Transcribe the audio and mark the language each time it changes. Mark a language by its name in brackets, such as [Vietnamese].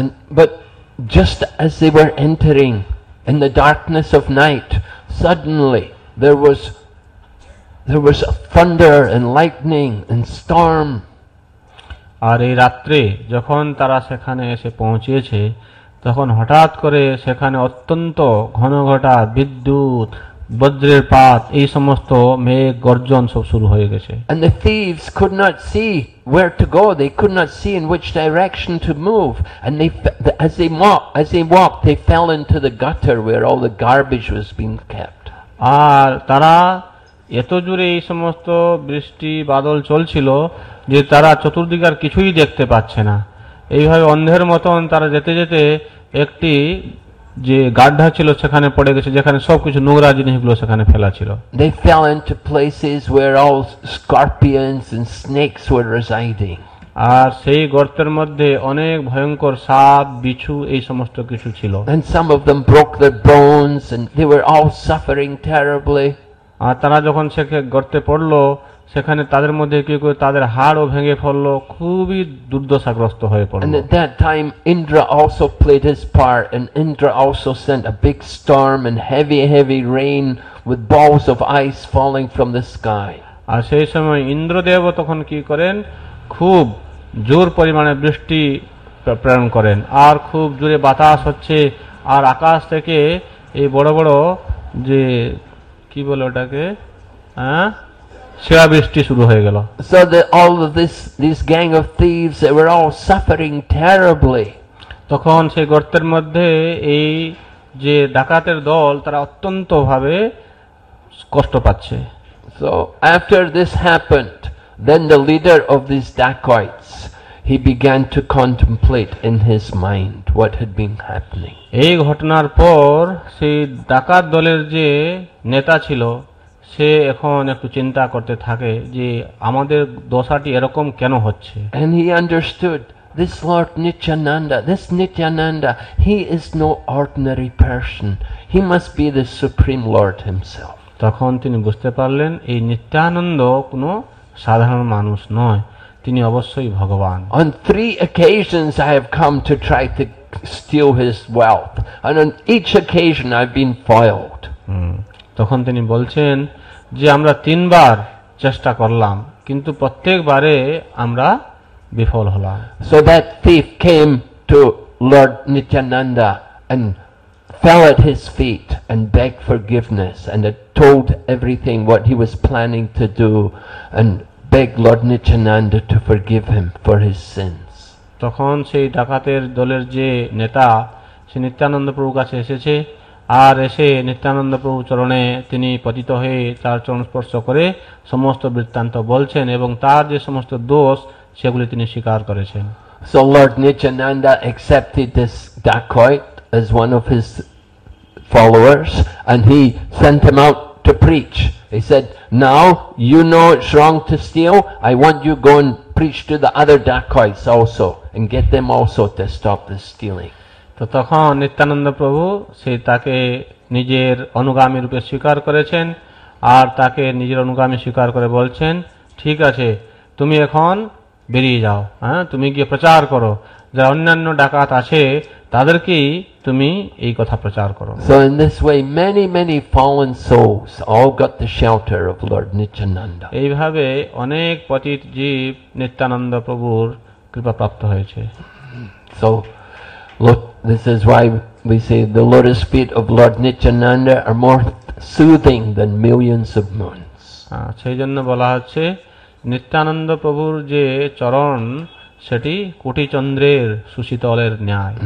[English] But just as they were entering in the darkness of night, suddenly there was a thunder and lightning and storm. [Bangla] আর এই রাত্রে যখন তারা সেখানে এসে পৌঁছেছে তখন হঠাৎ করে সেখানে অত্যন্ত ঘনঘটা বিদ্যুৎ বজ্রের পাত এই সমস্ত মেঘ গর্জন সব শুরু হয়ে গেছে [English] and the thieves could not see where to go they could not see in which direction to move and they as they walked they fell into the gutter where all the garbage was being kept [Bangla] আর তারা এত জোরে এই সমস্ত বৃষ্টি বাদল চলছিল যে তারা চতুর্দিকে আর কিছুই দেখতে পাচ্ছে না এইভাবে অন্ধের মতন তারা যেতে যেতে একটি যে গাড্ডা ছিল সেখানে পড়ে গেছে যেখানে সবকিছু নোংরা জিনিসগুলো সেখানে ফেলা ছিল [English] They fell into places where all scorpions and snakes were residing. [Bangla] আর সেই গর্তের মধ্যে অনেক ভয়ঙ্কর সাপ বিছু এই সমস্ত কিছু ছিল [English] And some of them broke their bones and they were all suffering terribly. [Bangla] আর তারা যখন সেখানে গর্তে পড়লো সেখানে তাদের মধ্যে কেউ কেউ তাদের হাড়ও ভেঙে ফেললো খুবই দুর্দশাগ্রস্ত হয়ে পড়লো [English] and at that time Indra also played his part and Indra also sent a big storm and heavy rain with balls of ice falling from the sky [Bangla] আর সেই সময় ইন্দ্রদেব তখন কি করেন খুব জোর পরিমাণে বৃষ্টি প্রেরণ করেন আর খুব জোরে বাতাস হচ্ছে আর আকাশ থেকে এই বড় বড় যে কি বলে ওটাকে হ্যাঁ সেবা বৃষ্টি শুরু হয়ে গেল [English] so the all of this gang of thieves they were all suffering terribly [Bangla] তখন সেই গর্তের মধ্যে এই যে ডাকাতের দল তারা অত্যন্ত ভাবে কষ্ট পাচ্ছে [English] so after this happened then the leader of these dacoits he began to contemplate in his mind what had been happening [Bangla] এই ঘটনার পর সেই ডাকাত দলের যে নেতা ছিল সে এখন একটু চিন্তা করতে থাকে যে আমাদের দশাটি এরকম কেন হচ্ছে [English] and he understood this lord nityananda this nityananda he is no ordinary person he must be the supreme lord himself [Bangla] তখন তিনি বুঝতে পারলেন এই নিত্যানন্দ কোনো সাধারণ মানুষ নয় তিনি অবশ্যই ভগবান [English] on three occasions I have come to try to steal his wealth and on each occasion I've been foiled [Bangla] তখন তিনি বলছেন যে আমরা তিনবার চেষ্টা করলাম কিন্তু প্রত্যেকবারে আমরা বিফল হলাম [English] so that thief came to lord nityananda and fell at his feet and begged forgiveness and had told everything what he was planning to do and begged lord nityananda to forgive him for his sins [Bangla] তখন সেই ডাকাতের দলের যে নেতা সেই নিত্যানন্দ প্রভুর কাছে এসেছে আর এসে নিত্যানন্দ প্রভু চরণে তিনি পতিত হয়ে তার চরণ স্পর্শ করে সমস্ত বৃত্তান্ত বলছেন এবং তার যে সমস্ত দোষ সেগুলি তিনি স্বীকার করেছেন [English] So Lord Nityananda accepted this dacoit as one of his followers and he sent him out to preach. He said, now you know it's wrong to steal, I want you go and preach to the other dacoits also and get them also to stop the stealing. [Bangla] তো তখন নিত্যানন্দ প্রভু সে তাকে নিজের অনুগামী রূপে স্বীকার করেছেন আর তাকে নিজের অনুগামী স্বীকার করে বলছেন ঠিক আছে তুমি এখন বেরিয়ে যাও হ্যাঁ তুমি গিয়ে প্রচার করো যারা অন্যান্য ডাকাত আছে তাদেরকেই তুমি এই কথা প্রচার করো [English] So in this way many fallen souls all got the shelter of Lord Nityananda [Bangla] এইভাবে অনেক পতিত জীব নিত্যানন্দ প্রভুর কৃপা প্রাপ্ত হয়েছে [English] So Look, this is why we say the lotus feet of Lord Nityananda are more soothing than millions of moons. [Bangla] সেই জন্য বলা হচ্ছে নিত্যানন্দ প্রভুর যে চরণ সেটি কোটি চন্দ্রের সুশীতলের ন্যায়